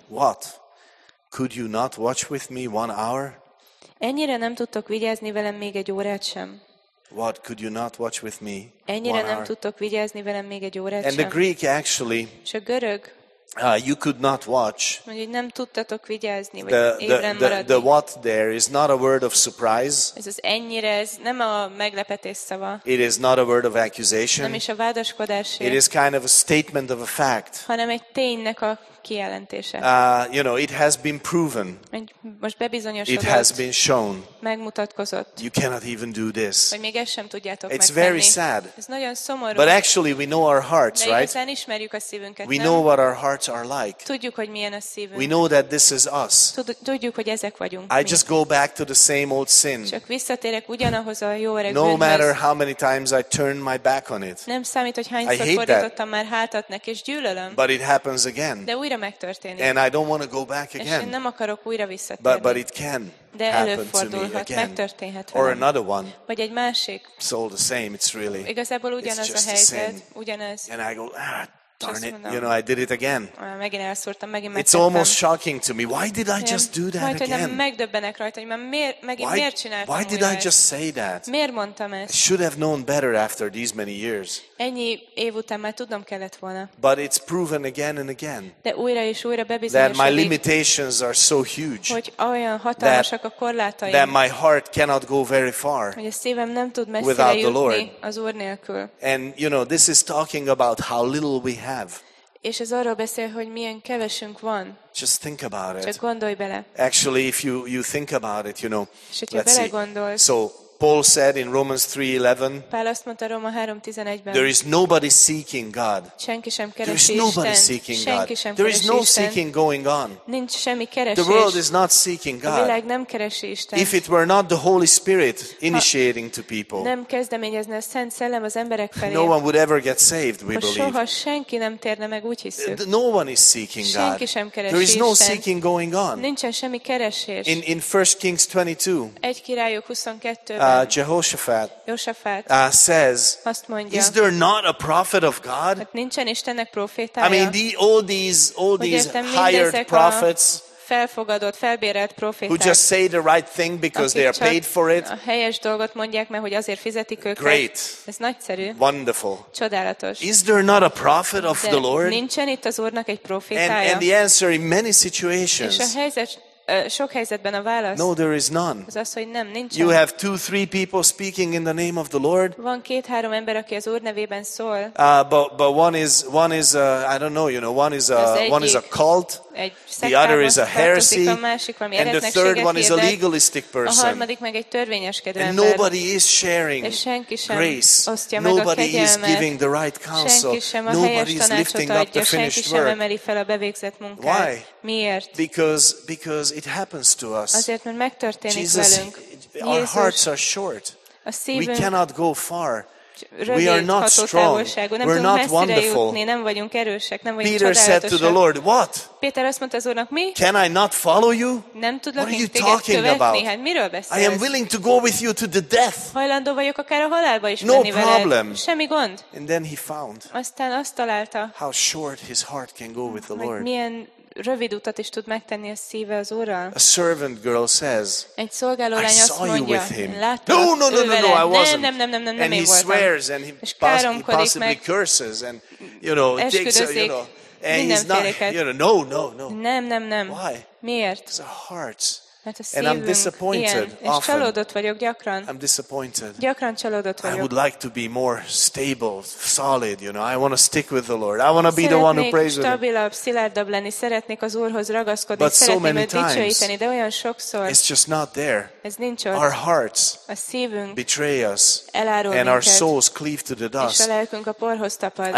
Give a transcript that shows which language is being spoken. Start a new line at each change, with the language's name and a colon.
English: What? Could you not watch with me 1 hour?
Hungarian: Ennyire nem tudtok vigyázni velem még egy órát sem.
English: What? Could you not watch with me?
Hungarian: Ennyire nem tudtok vigyázni velem még egy órát sem.
English: And the Greek actually.
Hungarian: És a görög.
English: You could not watch.
Hungarian: Mondjuk nem tudtatok vigyázni, vagy
English: the what there is not a word of surprise.
Hungarian: Ez az ennyire, ez nem a meglepetés szava.
English: It is not a word of accusation.
Hungarian: Nem is a vádaskodás.
English: It is kind of a statement of a fact.
Hungarian: Hanem egy ténynek a kijelentése.
English: You know, it has been proven.
Hungarian: Most bebizonyosodott.
English: It has been shown.
Hungarian: Megmutatkozott.
English: You cannot even do this.
Hungarian: Vagy még ezt sem tudjátok
English: It's
Hungarian: megtenni.
English: It's very sad.
Hungarian: Ez nagyon szomorú.
English: But actually we know our hearts, right?
Hungarian: De ismerjük a szívünket,
English: we know what our hearts are like.
Hungarian: Tudjuk, hogy milyen a szívünk.
English: We know that this is us.
Hungarian: Tudjuk, hogy ezek vagyunk.
English: I just go back to the same old sin.
Hungarian: Csak visszatérek ugyanahoz a jó öreg bűnhöz.
English: No matter how many times I turn my back on it.
Hungarian: Nem számít, hogy hányszor fordítottam már hátat neki, és gyűlölöm.
English: But it happens again.
Hungarian: De újra megtörténik.
English: And I don't want to go back again.
Hungarian: És én nem akarok újra visszatérni.
English: But it can.
Hungarian: De előfordulhat, megtörténhet velem.
English: Or another one.
Hungarian: Vagy egy másik.
English: It's all the same. It's really.
Hungarian: Igazából ugyanaz a helyzet, ugyanaz.
English: And I go, darn it, you know, I did it again.
Hungarian: Megint elszúrtam, megint megtettem.
English: It's almost shocking to me. Why did I just do that again?
Hungarian: Majd, hogy nem megdöbbenek rajta, hogy miért csináltam újra.
English: Why did I just say that?
Hungarian: Miért mondtam ezt?
English: I should have known better after these many years.
Hungarian: Ennyi év után már tudnom kellett volna.
English: But it's proven again and again.
Hungarian: De újra és újra bebizonyosodik.
English: That my limitations are so huge.
Hungarian: Hogy olyan hatalmasak a korlátaim.
English: That my heart cannot go very far.
Hungarian: Hogy a szívem nem tud messzire jutni.
English: Without the Lord.
Hungarian: Az Úr nélkül.
English: And you know, this is talking about how little we have.
Hungarian: És ez arról beszél, hogy milyen kevesünk van.
English: Just think about it.
Hungarian: Csak gondolj bele.
English: Actually, if you think about it, you know. Let's see. So Paul said in Romans 3:11.
Hungarian: Pál azt mondta Róma 3:11-ben.
English: There is nobody seeking God.
Hungarian: Senki sem keresi Istent.
English: There is nobody seeking God.
Hungarian: Senki sem
English: There is no
Hungarian: Isten.
English: Seeking going on.
Hungarian: Nincs semmi keresés.
English: The world is not seeking God.
Hungarian: A világ nem keresi Istent.
English: If it were not the Holy Spirit initiating to people.
Hungarian: Nem kezdeményezne a Szent Szellem az emberek felé.
English: No one would ever get saved, we believe.
Hungarian: Soha senki nem térne meg, úgy hiszük.
English: No one is seeking God.
Hungarian: Senki sem keresi
English: There is
Hungarian: Isten.
English: No seeking going on.
Hungarian: Nincsen semmi keresés.
English: In 1 Kings 22.
Hungarian: 1 Királyok 22.
English: Jehoshaphat says,
Hungarian: azt mondja,
English: "Is there not a prophet of God?"
Hungarian: Hát nincsen Istennek profétája.
English: I mean, all these hired prophets,
Hungarian: felfogadott, felbérelt proféták,
English: who just say the right thing because they are paid for it.
Hungarian: A helyes dolgot mondják, mert hogy azért fizetik őket.
English: Great.
Hungarian: Ez nagyszerű.
English: Wonderful.
Hungarian: Csodálatos.
English: Is there not a prophet of
Hungarian: De
English: the Lord?
Hungarian: Nincsen itt az Úrnak egy profétája.
English: And the answer in many situations.
Hungarian: És a helyzet. Sok helyzetben a válasz.
English: No, there is none.
Hungarian: Az az, hogy nem, nincsen.
English: You have 2-3 people speaking in the name of the Lord.
Hungarian: Van 2-3 ember, aki az Úr nevében szól.
English: But one is I don't know, you know, one is a cult. The other is a heresy. And the third one is a legalistic person.
Hungarian: A harmadik meg egy törvényeskedő ember.
English: And nobody is sharing grace. Nobody is giving the right counsel. Nobody is lifting up the finished work.
Hungarian: Senki sem emeli fel a bevégzett munkát.
English: Why?
Hungarian: Miért?
English: Because it happens to us.
Hungarian: Azért, mert megtörténik
English: Jesus,
Hungarian: velünk.
English: Jézus, our hearts are short.
Hungarian: A szívünk,
English: we cannot go far.
Hungarian: Rövid,
English: we are not strong. We're not wonderful.
Hungarian: Jutni, nem vagyunk erősek, nem vagyunk
English: Peter said to the Lord, what?
Hungarian: Péter azt mondta az Úrnak, mi?
English: Can I not follow you?
Hungarian: Nem tudlak
English: what are you talking
Hungarian: követni?
English: About?
Hungarian: Hát, miről beszélsz?
English: I am willing to go with you to the death.
Hungarian: Hajlandó vagyok akár a halálba is
English: no problem.
Hungarian: Veled. Semmi gond.
English: And then he found
Hungarian: aztán azt találta,
English: how short his heart can go with the Lord.
Hungarian: Milyen rövid utat is tud megtenni a szíve az Úrral.
English: A servant girl says,
Hungarian: egy szolgálólány azt mondja,
English: I saw you with him.
Hungarian: Látta,
English: no, I wasn't.
Hungarian: Nem,
English: and he swears, and he possibly curses, and you know, takes, you know, and he's not, you know, no.
Hungarian: Nem.
English: Why?
Hungarian: Miért?
English: It's a heart.
Hungarian: A mert a szívünk
English: and I'm disappointed
Hungarian: ilyen, és csalódott vagyok gyakran.
English: I'm disappointed.
Hungarian: Gyakran csalódott vagyok.
English: I would like to be more stable, solid, you know. I want to stick with the Lord. I want to be the one who prays with him.
Hungarian: Szilárdabb lenni, szeretnék az Úrhoz ragaszkodni, but szeretném so őt dicsőíteni, de olyan sokszor
English: it's just not there.
Hungarian: Ez nincs ott.
English: Our hearts
Hungarian: a szívünk
English: betray us
Hungarian: elárul
English: and
Hungarian: minket,
English: our souls cleave to the dust.
Hungarian: És a lelkünk a porhoz tapad.